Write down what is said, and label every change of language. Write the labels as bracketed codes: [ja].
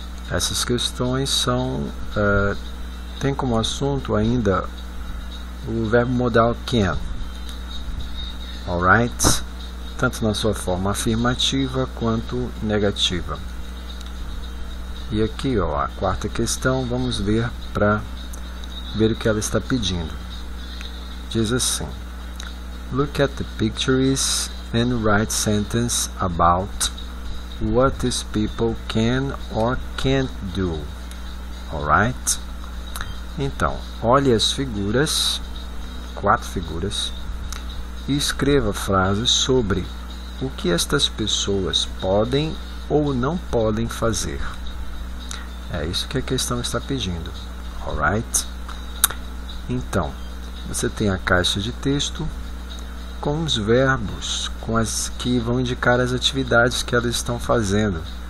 [pt] Essas questões são... Tem como assunto ainda o verbo modal can, alright? Tanto na sua forma afirmativa quanto negativa. E aqui, ó, a quarta questão, vamos ver para ver o que ela está pedindo. [en] Diz assim: Look at the pictures and write sentence about what these people can or can't do, alright? [pt] Então, olhe as figuras, quatro figuras, e escreva frases sobre o que estas pessoas podem ou não podem fazer. É isso que a questão está pedindo, alright? Então, você tem a caixa de texto com os verbos, com as que vão indicar as atividades que elas estão fazendo.